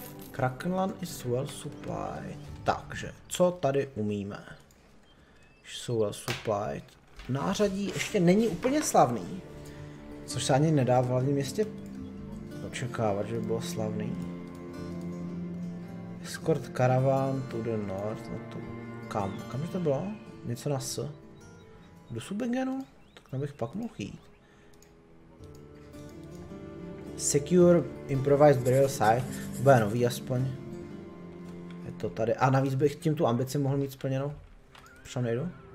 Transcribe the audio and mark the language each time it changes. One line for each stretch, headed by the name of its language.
English: Krakenland is well supplied.
Czech: Takže, co tady umíme? Jsou well supplied. Nářadí ještě není úplně slavný. Což se ani nedá v hlavním městě očekávat, že by bylo slavný.
English: Escort caravan to the north.
Czech: No to kam? Kam to bylo? Něco na S. Do Subingenu? Tak tam bych pak mohl jít.
English: Secure improvised burial site.
Czech: Bude nový aspoň. Je to tady. A navíc bych tím tu ambici mohl mít splněnou. Přišel nejdu.